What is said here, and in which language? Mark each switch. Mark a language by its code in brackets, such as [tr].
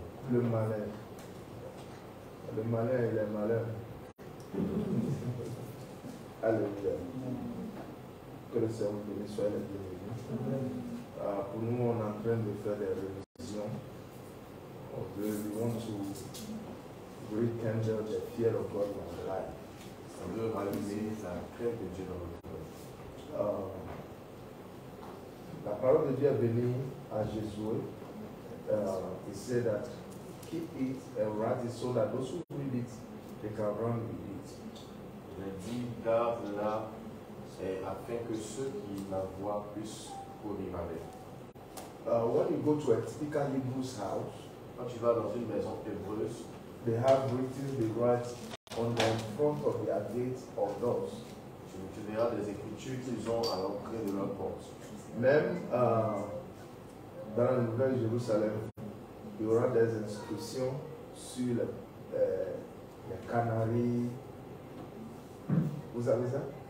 [fr] Le malin. Le malin. Le malin et les malheurs. Alléluia. Que le Seigneur vous bénisse, soyez les bienvenus. Pour nous, on est en train de faire des révisions. [en] We want to rekindle the fear of God in our life. [fr] Ça veut rallumer la crainte de Dieu dans notre cœur. La parole de Dieu est venue à Jésus. Il dit [en] that keep it and write it so that those who read it, they can run with it. [fr] Il a dit, garde-la, c'est afin que ceux qui la voient puissent courir avec. [en] When you go to a typical Hebrew's house, [fr] quand tu vas dans une maison hébreuse, [en] they have written the words on the front of their gate or doors. [fr] Tu verras des écritures qu'ils ont à l'entrée de leur porte. Même dans la nouvelle Jérusalem, il y aura des inscriptions sur les canaries. Vous avez ça?